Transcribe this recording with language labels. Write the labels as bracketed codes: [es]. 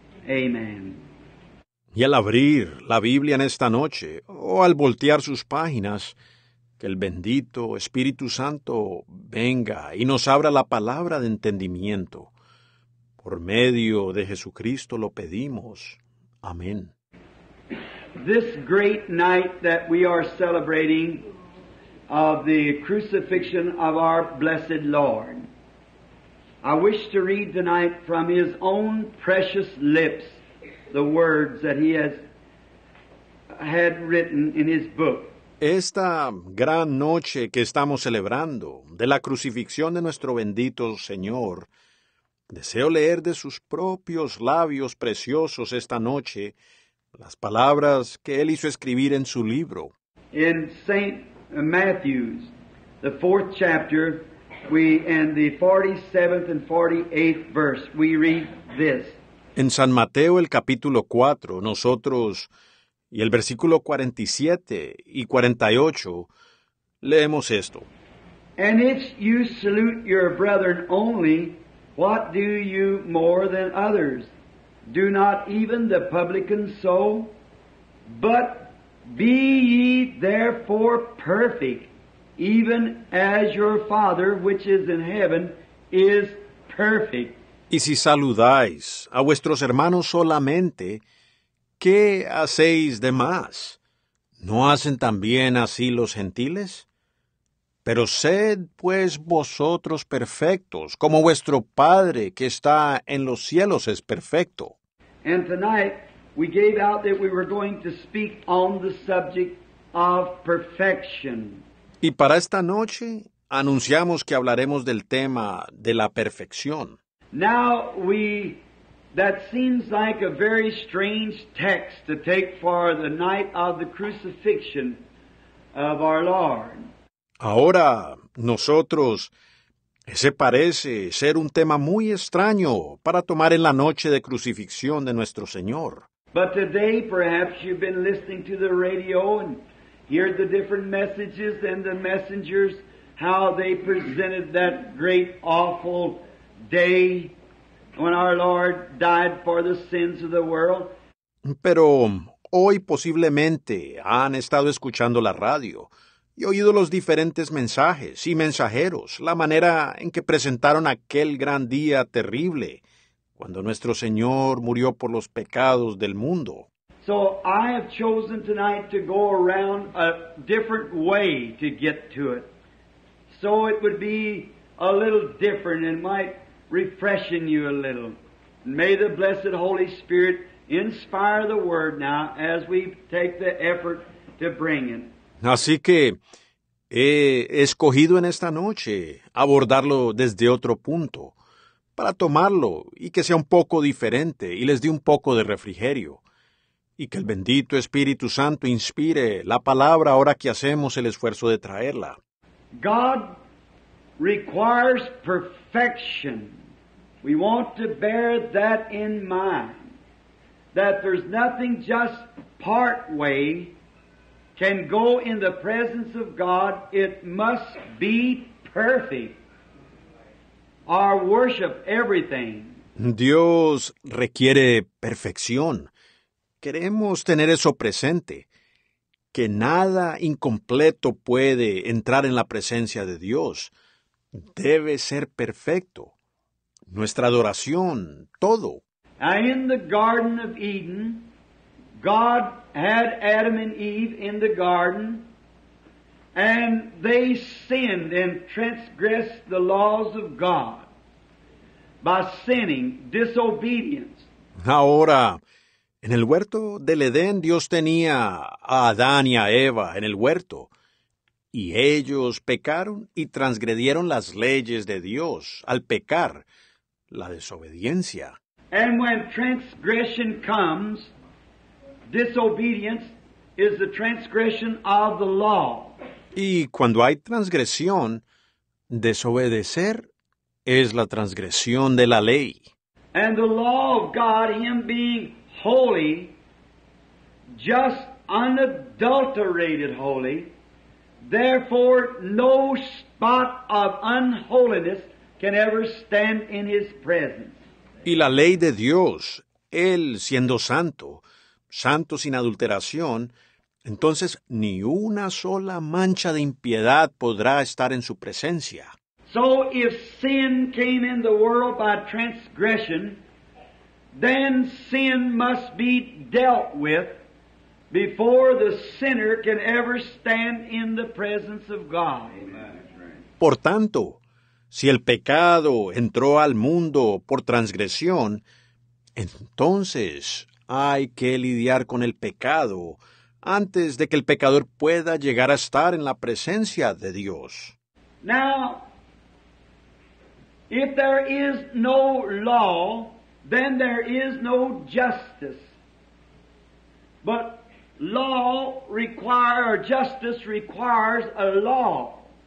[en] Amen. [es] Y al abrir la Biblia en esta noche, o al voltear sus páginas, que el bendito Espíritu Santo venga y nos abra la palabra de entendimiento. Por medio de Jesucristo lo pedimos. Amén. [en] This great night that we are celebrating of the crucifixion of our blessed Lord, I wish to read tonight from His own precious lips the words that He has had written in His book. [es] Esta gran noche que estamos celebrando de la crucifixión de nuestro bendito Señor, deseo leer de sus propios labios preciosos esta noche las palabras que Él hizo escribir en su libro. [en] In St. Matthew's, the 4th chapter, and the 47th and 48th verse, we read this. [es] En San Mateo, el capítulo 4, nosotros, y el versículo 47 y 48, leemos esto. [en] And if you salute your brethren only, what do you more than others? Do not even the publicans so? But be ye therefore perfect, even as your Father which is in heaven is perfect. [es] Y si saludáis a vuestros hermanos solamente, ¿qué hacéis de más? ¿No hacen también así los gentiles? Pero sed pues vosotros perfectos, como vuestro Padre que está en los cielos es perfecto. [en] And tonight we gave out that we were going to speak on the subject of perfection. [es] Y para esta noche anunciamos que hablaremos del tema de la perfección. [en] Now that seems like a very strange text to take for the night of the crucifixion of our Lord. [es] Ahora, nosotros, ese parece ser un tema muy extraño para tomar en la noche de crucifixión de nuestro Señor. [en] But today, perhaps you've been listening to the radio and hear the different messages and the messengers, how they presented that great awful day when our Lord died for the sins of the world. [es] Pero hoy posiblemente han estado escuchando la radio y oído los diferentes mensajes y mensajeros, la manera en que presentaron aquel gran día terrible cuando nuestro Señor murió por los pecados del mundo. [en] So I have chosen tonight to go around a different way to get to it. So it would be a little different and might refreshing you a little. May the blessed Holy Spirit inspire the word now as we take the effort to bring it. [es] Así que he escogido en esta noche abordarlo desde otro punto para tomarlo y que sea un poco diferente y les dé un poco de refrigerio y que el bendito Espíritu Santo inspire la palabra ahora que hacemos el esfuerzo de traerla. [en] God requires perfection. We want to bear that in mind, that there's nothing just part way can go in the presence of God. It must be perfect. Our worship, everything. [es] Dios requiere perfección. Queremos tener eso presente, que nada incompleto puede entrar en la presencia de Dios. Debe ser perfecto. Nuestra adoración, todo. [en] Now in the Garden of Eden, God had Adam and Eve in the garden, and they sinned and transgressed the laws of God by sinning, disobedience. [es] Ahora, en el huerto del Edén, Dios tenía a Adán y a Eva en el huerto, y ellos pecaron y transgredieron las leyes de Dios al pecar. La desobediencia. [en] And when transgression comes, disobedience is the transgression of the law. [es] Y cuando hay transgresión, desobedecer es la transgresión de la ley. [en] And the law of God, Him being holy, just unadulterated holy, therefore no spot of unholiness can ever stand in His presence. [es] Y la ley de Dios, Él siendo santo, santo sin adulteración, entonces ni una sola mancha de impiedad podrá estar en su presencia. [en] So if sin came in the world by transgression, then sin must be dealt with before the sinner can ever stand in the presence of God. [es] Por tanto, si el pecado entró al mundo por transgresión, entonces hay que lidiar con el pecado antes de que el pecador pueda llegar a estar en la presencia de Dios. [en] Now, if there is no law, then there is no justice. But law requires, justice requires a law.